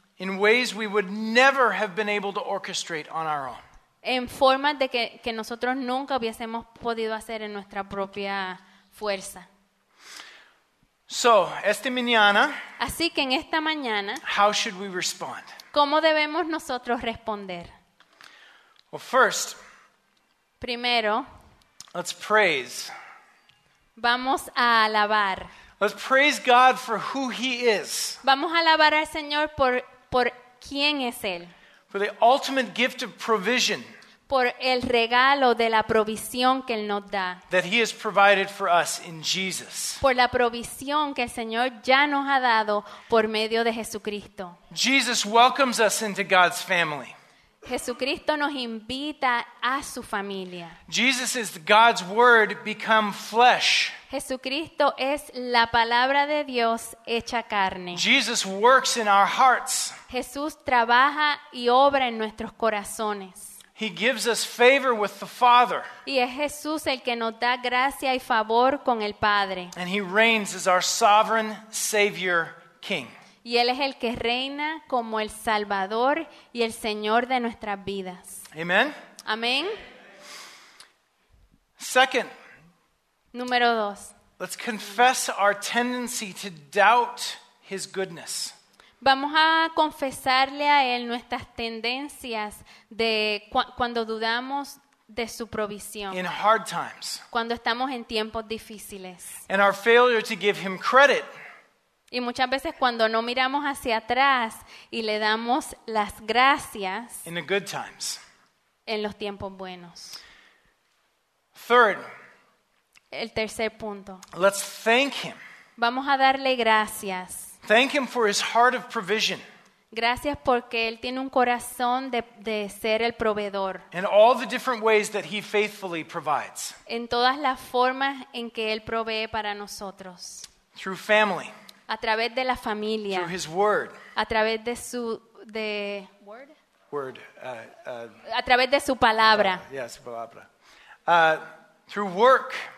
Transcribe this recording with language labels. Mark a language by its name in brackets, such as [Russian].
[English] In ways we would never have been able to orchestrate on our own. [Spanish] En formas de que nosotros nunca hubiésemos podido hacer en nuestra propia fuerza. So, esta mañana, así que en esta mañana, [English] how should we respond? [Spanish] ¿Cómo debemos nosotros responder? [English] Well, first, [Spanish] primero, [English] let's praise. [Spanish] Vamos a alabar. [English] Let's praise God for who He is. [Spanish] Vamos a alabar al Señor por quién es Él. [English] For the ultimate gift of provision. [Spanish] Por el regalo de la provisión que Él nos da. [English] That He has provided for us in Jesus. [Spanish] Por la provisión que el Señor ya nos ha dado por medio de Jesucristo. [English] Jesus welcomes us into God's family. [Spanish] Jesucristo nos invita a su familia. [English] Jesus is God's word become flesh. [Spanish] Jesucristo es la palabra de Dios hecha carne. [English] Jesus works in our hearts. [Spanish] Jesús trabaja y obra en nuestros corazones. [English] He gives us favor with the Father. [Spanish] Y es Jesús el que nos da gracia y favor con el Padre. [English] And He reigns as our sovereign Savior King. [Spanish] Y Él es el que reina como el Salvador y el Señor de nuestras vidas. [English] Amen. [Spanish] Amén. [English] Second. [Spanish] Número dos. [English] Let's confess our tendency to doubt His goodness. [Spanish] Vamos a confesarle a Él nuestras tendencias de cuando dudamos de su provisión. [English] In hard times. [Spanish] Cuando estamos en tiempos difíciles. [English] And our failure to give Him credit. [Spanish] Y muchas veces cuando no miramos hacia atrás y le damos las gracias. [English] In the good times. [Spanish] En los tiempos buenos. [English] Third. [Spanish] El tercer punto. [English] Let's thank Him. [Spanish] Vamos a darle gracias. [English] Thank Him for His heart of provision. [Spanish] Gracias porque Él tiene un corazón de ser el proveedor. [English] And all the different ways that He faithfully provides. [Spanish] En todas las formas en que Él provee para nosotros. [English] Through family. [Spanish] A través de la familia. [English] Through His word. [Spanish] A través de su de [English] word. Word. [Spanish] A través de su palabra. [English] Yes, palabra. Through work.